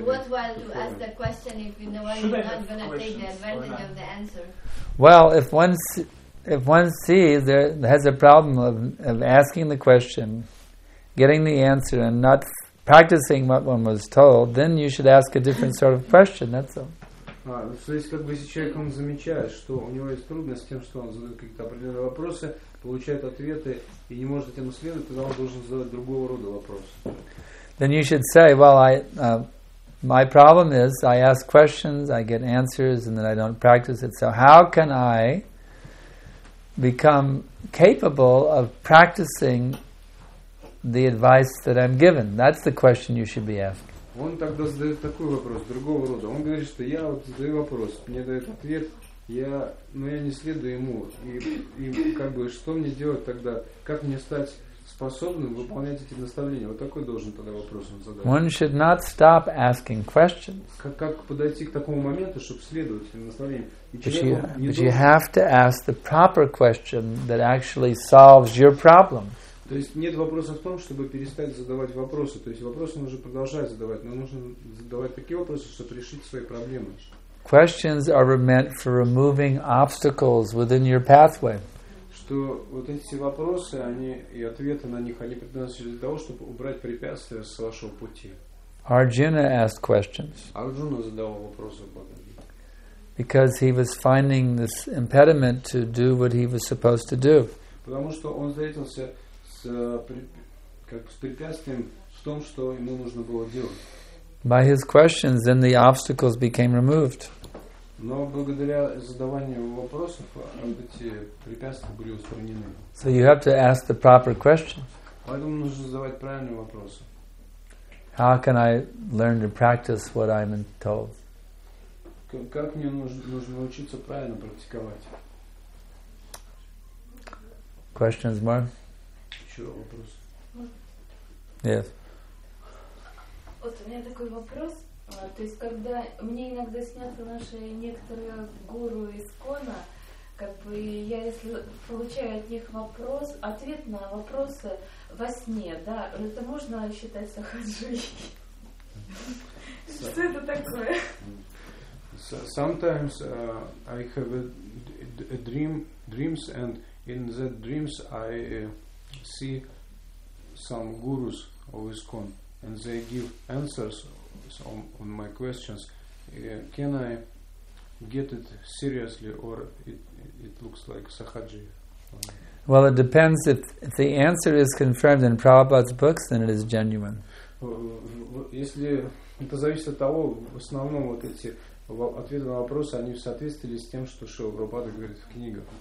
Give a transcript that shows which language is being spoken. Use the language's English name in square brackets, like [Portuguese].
[English] What while you ask the question, if you know you're not going to take the advantage of the answer? Well, if one sees there has a problem of asking the question, getting the answer, and not practicing what one was told, then you should ask a different sort of question, that's all. [Russian] То есть, как бы, если человек, он замечает, что у него есть трудность с тем, что он задает какие-то определенные вопросы, получает ответы, и не может этим исследовать, тогда он должен задать другого рода вопросы. [English] Then you should say, well, my problem is, I ask questions, I get answers, and then I don't practice it, so how can I become capable of practicing the advice that I'm given? That's the question you should be asking. [Russian] Он тогда задает такой вопрос, другого рода. Он говорит, что я вот задаю вопрос, мне дает ответ, но я не следую ему. И как бы, что мне делать тогда? Как мне стать способным выполнять эти наставления? Вот такой должен тогда вопрос он задать. [English] One should not stop asking questions. [Russian] Как подойти к такому моменту, чтобы следовать этим наставлениям? [English] But you have to ask the proper question that actually solves your problem. [Russian] То есть нет вопроса в том, чтобы перестать задавать вопросы. То есть вопросы нужно продолжать задавать, но нужно задавать такие вопросы, чтобы решить свои проблемы. [English] Questions are meant for removing obstacles within your pathway. [Russian] Что вот эти вопросы, они и ответы на них, они предназначены для того, чтобы убрать препятствия с вашего пути. [English] Arjuna asked questions. [Russian] Арджуна задавал вопросы. [English] Because he was finding this impediment to do what he was supposed to do. [Russian] Потому что он встретился с препятствием в том, что ему нужно было делать. [English] By his questions, then the obstacles became removed. [Russian] Но благодаря задаванию вопросов эти препятствия были устранены. [English] So you have to ask the proper question. [Russian] Поэтому нужно задавать правильные вопросы. [English] How can I learn to practice what I'm told? [Russian] Как мне нужно научиться правильно практиковать? [English] Questions more? Yes. [Russian] Вот у меня такой вопрос. То есть, когда мне иногда снятся наши некоторые гуру из Кона, как бы я, если получаю от них вопрос, ответ на вопросы во сне, да, это можно считать сахаджи? Что это такое? [English] Sometimes I have dreams, and in that dreams I see some gurus of ISKCON, and they give answers on my questions. Can I get it seriously, or it looks like sahaji? Well, it depends. If the answer is confirmed in Prabhupada's books, then it is genuine. [Russian] Если это зависит от того, в основном вот эти ответы на вопросы, они в соответствии или с тем, что Шрила Прабхупада говорит в книгах.